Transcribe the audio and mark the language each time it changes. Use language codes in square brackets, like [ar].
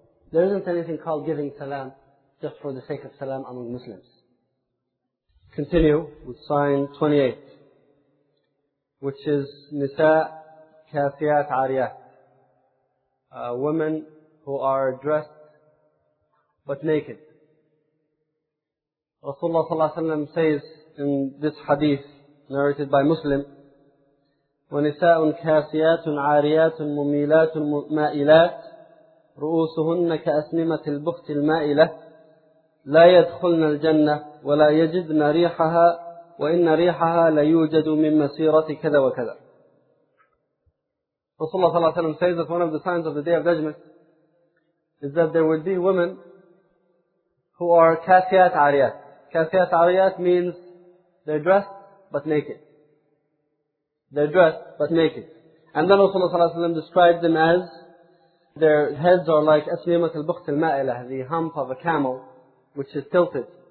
[en] There isn't anything called giving salam just for the sake of salam among Muslims. Continue with sign 28, which is [ar] Nisa Kafiyat Ariyat. [en] Women who are dressed but naked. Rasulullah sallallahu alayhi wa sallam says in this hadith narrated by Muslim, [ar] وَنِسَاءٌ كَاسِيَاتٌ عَارِيَاتٌ مُمِيلَاتٌ مَائِلَاتٌ رُؤُوسُهُنَّ كَأَسْنِمَةِ الْبُخْتِ الْمَائِلَةِ لَا يَدْخُلْنَا الْجَنَّةِ وَلَا يَجِدْنَا رِيحَهَا وَإِنَّ رِيحَهَا لَيُوجَدُ مِنْ مَسِيرَةِ كَذَا وَكَذَا. [en] Rasulullah sallallahu alayhi wa sallam says that one of the signs of the Day of Judgment is that there will be women who are kasiyat ariyat. Kasiyat ariyat means they're dressed but naked. They're dressed but naked. And then Rasulullah sallallahu alayhi wa sallam described them as their heads are like [ar] asnimat al-bukht al-ma'ilah, [en] the hump of a camel which is tilted.